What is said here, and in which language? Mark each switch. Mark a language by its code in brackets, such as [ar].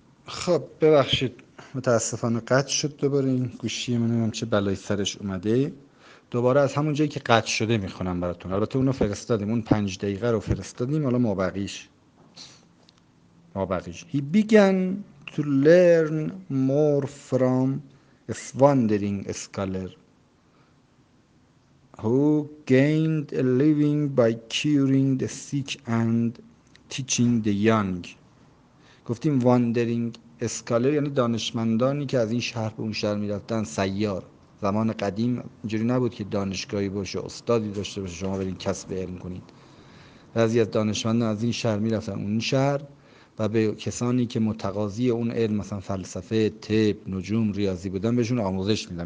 [fa] خب ببخشید، متاسفانه قطع شد دوباره این گوشی من، نمیدونم چه بلایی سرش اومده. دوباره از همون جایی که قطع شده میخونم براتون. البته اونو فرستادیم، اون 5 دقیقه رو فرستادیم، حالا ما بقیش. [en] He began to learn more from a wandering scholar who gained a living by curing the sick and teaching the young. [fa] گفتیم واندرینگ اسکالر یعنی دانشمندانی که از این شهر به اون شهر می رفتن، سیار. زمان قدیم اینجوری نبود که دانشگاهی باشه، استادی داشته باشه، شما برین کسب علم کنید. بعضی از دانشمندان از این شهر می رفتن اون شهر و به کسانی که متقاضی اون علم، مثلا فلسفه، طب، نجوم، ریاضی بودن، بهشون آموزش می دن.